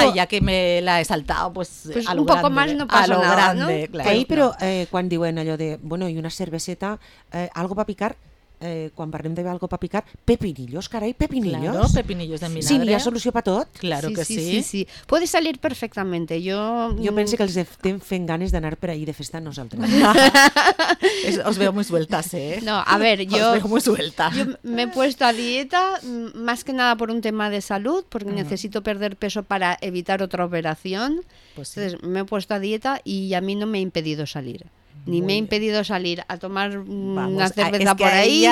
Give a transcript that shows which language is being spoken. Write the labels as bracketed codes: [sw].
[es] Ay, ya que me la he saltado, pues a lo un poco grande, más no pasa a lo nada, grande, ¿no? Claro. Ahí, pero cuando digo en ello de, bueno, y una cerveceta, algo para picar, [ca] quan parlem de algo per picar, pepinillos, carai, pepinillos. [es] Claro, pepinillos de vinagre. [ca] Sí, hi ha solució per tot. [es] Claro sí, que sí. Sí, sí. Puede salir perfectamente. [ca] Jo penso que els estem fent ganes d'anar per ahir de festa nosaltres. [es] Os veo muy sueltas, ¿eh? No, a ver, yo... Os veo muy sueltas. Yo me he puesto a dieta más que nada por un tema de salud, porque necesito perder peso para evitar otra operación. Pues sí. Entonces, me he puesto a dieta y a mí no me ha impedido salir. Ni me ha impedido salir a tomar una cerveza por ahí,